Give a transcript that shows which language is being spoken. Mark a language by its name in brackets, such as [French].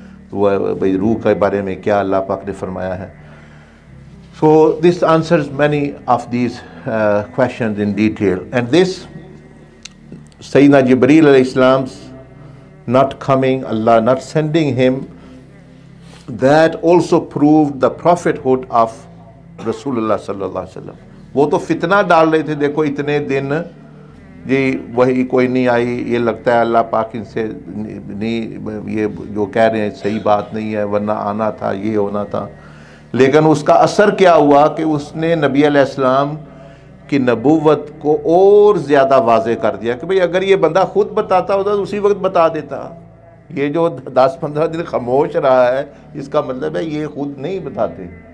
[Urdu] تو وہ بھائی روح کے بارے میں کیا اللہ پاک نے فرمایا ہے. [English] So this answers many of these questions in detail. And this, Sayyidina Jibreel alayhi salam's not coming, Allah not sending him, that also proved the prophethood of Rasulullah sallallahu alayhi wa sallam. [Urdu] وہ تو فتنہ ڈال رہے تھے, دیکھو اتنے دن جی وہی کوئی نہیں آئی, یہ لگتا ہے اللہ پاک ان سے نہیں, یہ جو کہہ رہے ہیں صحیح بات نہیں ہے, ورنہ آنا تھا, یہ ہونا تھا. لیکن اس کا اثر کیا ہوا کہ اس نے نبی علیہ السلام کی نبوت کو اور زیادہ واضح کر دیا کہ بھئی اگر یہ بندہ خود بتاتا ہوتا تو اسی وقت بتا دیتا, یہ جو 10-15 دن خاموش رہا ہے اس کا مطلب ہے یہ خود نہیں بتاتے.